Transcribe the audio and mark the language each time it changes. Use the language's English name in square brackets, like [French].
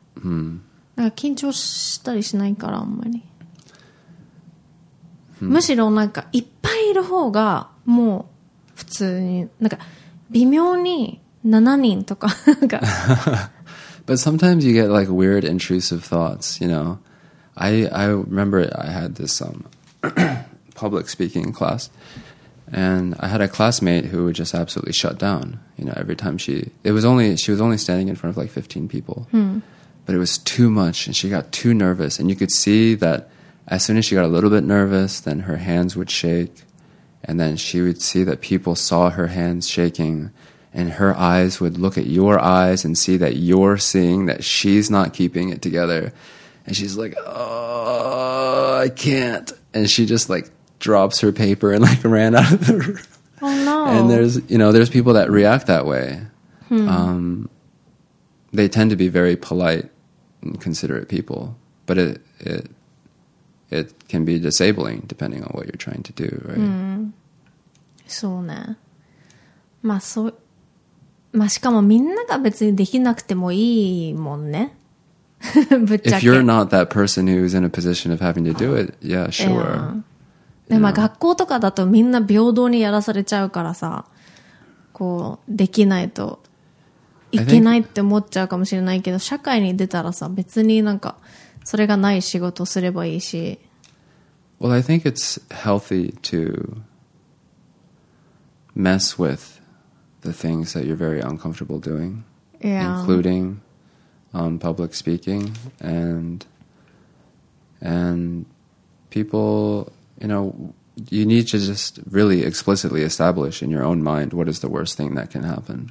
[Japanese] なんか緊張したりしないからあんまり。むしろなんかいっぱいいる方がもう普通に、なんか微妙に7人とかなんか。 [English] But sometimes you get like weird intrusive thoughts, you know? I remember I had this public speaking class, and I had a classmate who would just absolutely shut down. You know, every time she was only standing in front of like 15 people, but it was too much, and she got too nervous. And you could see that as soon as she got a little bit nervous, then her hands would shake, and then she would see that people saw her hands shaking, and her eyes would look at your eyes and see that you're seeing that she's not keeping it together. And she's like, oh, I can't. And she just like drops her paper and like ran out of the room. Oh no. And there's, you know, there's people that react that way. They tend to be very polite and considerate people, but it can be disabling depending on what you're trying to do, right? [Japanese] Mm. そうね。まあそう、まあしかもみんなが別にできなくてもいいもんね。ぶっちゃけ。 [English] If you're not that person who's in a position of having to do it, yeah, sure. [Japanese] でまあ学校とかだとみんな平等にやらされちゃうからさ、こうできないといけないって思っちゃうかもしれないけど、社会に出たらさ、別になんかそれがない仕事すればいいし。 [English] Well, I think it's healthy to mess with the things that you're very uncomfortable doing, yeah. including public speaking, and people, you know, you need to just really explicitly establish in your own mind what is the worst thing that can happen.